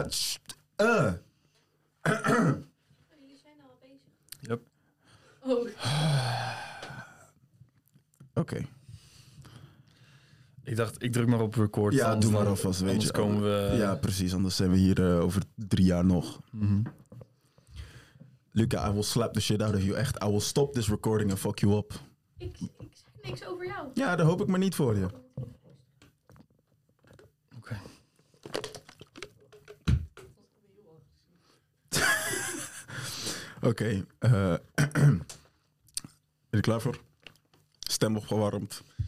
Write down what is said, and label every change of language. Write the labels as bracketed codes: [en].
[nl] Jullie zijn al bezig. Yep. Oh. Oké. Okay. Ik dacht, ik druk maar op record. Ja, doe maar alvast, weet anders je. Komen we... Ja, precies, anders zijn we hier over 3 jaar nog. Mm-hmm. [en] Luca, I will slap the shit out of you. Echt, I will stop this recording and fuck you up. [nl] Ik zeg niks over jou. Ja, daar hoop ik maar niet voor je. Oké. Oké. Ben je klaar voor? Stem opgewarmd.